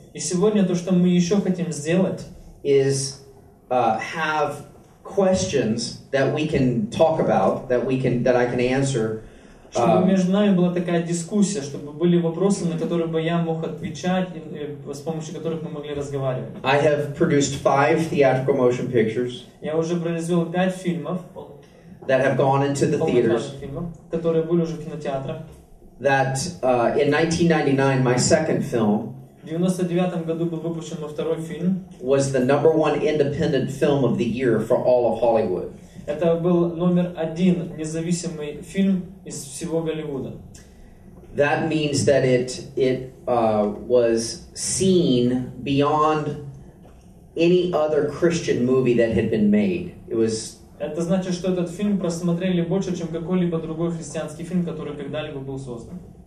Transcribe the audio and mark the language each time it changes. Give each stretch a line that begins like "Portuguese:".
Russian: и сегодня то, что мы еще хотим сделать,
English: is have questions that we can talk about, that I can answer.
Russian: Чтобы между нами была такая дискуссия, чтобы были вопросы, на которые бы я мог отвечать, с помощью которых мы могли разговаривать.
English: I have produced 5 theatrical motion pictures.
Russian: Я уже произвел 5 фильмов.
English: That have gone into the theaters.
Russian: Которые были уже в кинотеатрах.
English: That in 1999 my second film.
Russian: В 99 году был выпущен мой второй фильм.
English: Was the number one independent film of the year for all of Hollywood.
Russian: Это был номер один независимый фильм из всего Голливуда.
English: That means that it was seen beyond any other Christian movie that had been made. It was.
Russian: Это значит, что этот фильм просмотрели больше, чем какой-либо другой христианский фильм, который когда-либо был создан.